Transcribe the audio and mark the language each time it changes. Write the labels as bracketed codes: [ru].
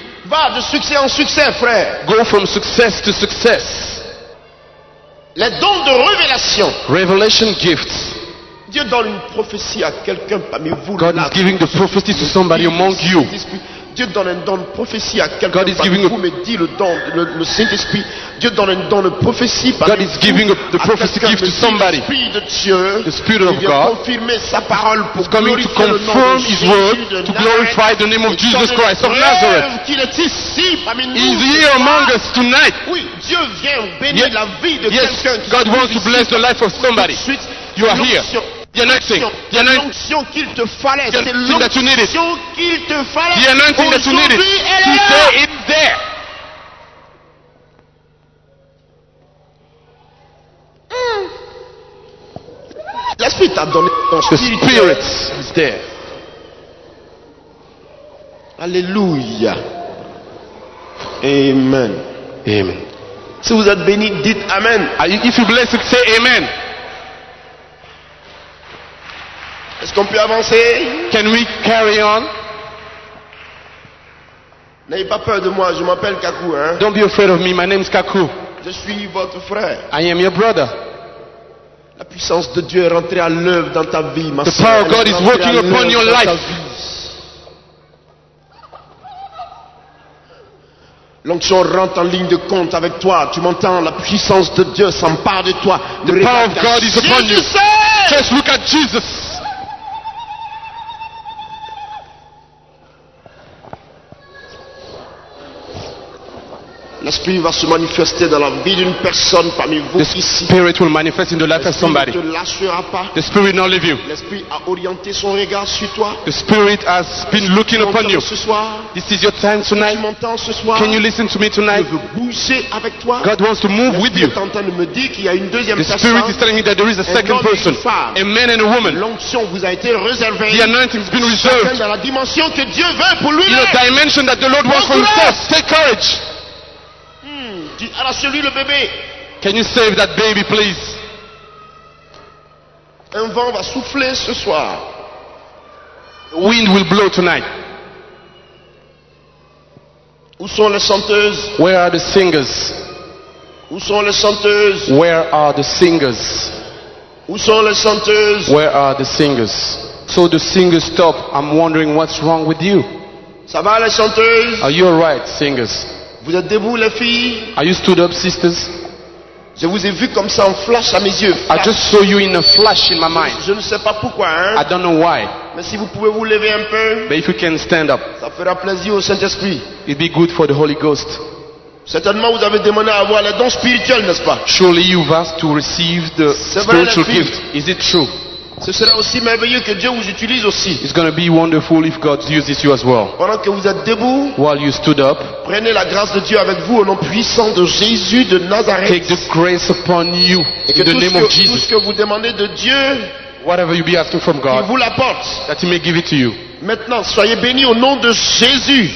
[fr] Va de succès en succès, frère. [en] Go from success to success. [fr] Les dons de révélation. [en] Revelation gifts. [fr] Dieu donne une prophétie à quelqu'un parmi vous. [en] God is giving the prophecy to somebody among you. [fr] Dieu donne un don de prophétie à quelqu'un parmi vous. Me dit le don, le Saint-Esprit. Dieu donne un don de prophétie parmi vous. [en] God is giving the prophecy gift to somebody. [fr] L'esprit de Dieu. [en] The spirit of God. [fr] Confirmer sa parole pour glorifier le nom de Jésus. [en] Coming to confirm his word to glorify the name of Jesus Christ of Nazareth. [fr] Qu'il est ici parmi nous. [en] He's here among us tonight. [fr] Oui, Dieu vient bénir la vie de quelqu'un. [en] Yes, God wants to bless the life of somebody. You are here. The [fr] anointing qu'il te fallait, c'est l'onction qu'il te fallait. [en] The anointing that you needed. Today it's there. [fr] L'esprit t'a donné ton [en] spirit. The spirit is there. Alléluia. Amen. Amen. [fr] Si vous êtes béni, dites amen. [en] If you bless it, say amen. [fr] Est-ce qu'on peut avancer? [en] Can we carry on? [fr] N'ayez pas peur de moi, je m'appelle Kaku. Hein? [en] Don't be afraid of me, my name is Kaku. [fr] Je suis votre frère. [en] I am your brother. [fr] La puissance de Dieu est rentrée à l'œuvre dans ta vie, ma soeur. [en] The power of God is working upon your life. [fr] L'onction rentre en ligne de compte avec toi. Tu m'entends? La puissance de Dieu s'empare de toi. [en] The power of God is upon you. Just look at Jesus. [fr] L'esprit va se manifester dans la vie d'une personne parmi vous ici. [en] The spirit will manifest in the life of somebody. [fr] L'esprit ne te lâchera pas. [en] The spirit will not leave you. [fr] L'esprit a orienté son regard sur toi. [en] The spirit has been looking upon you. [fr] Ce soir. [en] This is your time tonight. [fr] Tu m'entends ce soir. [en] Can you listen to me tonight? [fr] Je veux bouger avec toi. [en] God wants to move with you. [fr] L'esprit est en train de me dire qu'il y a une deuxième [en] personne. The spirit is telling me that there is a second person. [fr] Un homme et une femme. [en] A man and a woman. [fr] L'onction vous a été réservée. [en] The anointing has been reserved. [fr] Dans la dimension que Dieu veut pour lui. [en] In the dimension that the Lord wants for himself. Take courage. [fr] Alors celui le bébé. [en] Can you save that baby, please? [fr] Un vent va souffler ce soir. [en] The wind will blow tonight. [fr] Où sont les chanteuses? [en] Where are the singers? [fr] Où sont les chanteuses? [en] Where are the singers? [fr] Où sont les chanteuses? [en] Where are the singers? So the singers stop. I'm wondering what's wrong with you. [fr] Ça va les chanteuses? [en] Are you all right, singers? [fr] Vous êtes debout, les filles? [en] Are you stood up, sisters? [fr] Je vous ai vu comme ça en flash à mes yeux. [en] I just saw you in a flash in my mind. [fr] Je ne sais pas pourquoi. Hein? [en] I don't know why. [fr] Mais si vous pouvez vous lever un peu. [en] But if you can stand up. [fr] Ça fera plaisir au Saint-Esprit. [en] It'd be good for the Holy Ghost. [fr] Certainement, vous avez demandé à avoir les dons spirituels, n'est-ce pas? [en] Surely you've asked to receive the spiritual gift. Is it true? [fr] Ce sera aussi merveilleux que Dieu vous utilise aussi. [en] It's going to be wonderful if God uses you as well. [fr] Pendant que vous êtes debout, [en] while you stood up, [fr] prenez la grâce de Dieu avec vous au nom puissant de Jésus de Nazareth. [en] Take the grace upon you in the name of Jesus. [fr] Tout ce que vous demandez de Dieu, [en] whatever you be asking from God, [fr] il vous l'apporte. [en] That he may give it to you. [fr] Maintenant, soyez bénis au nom de Jésus.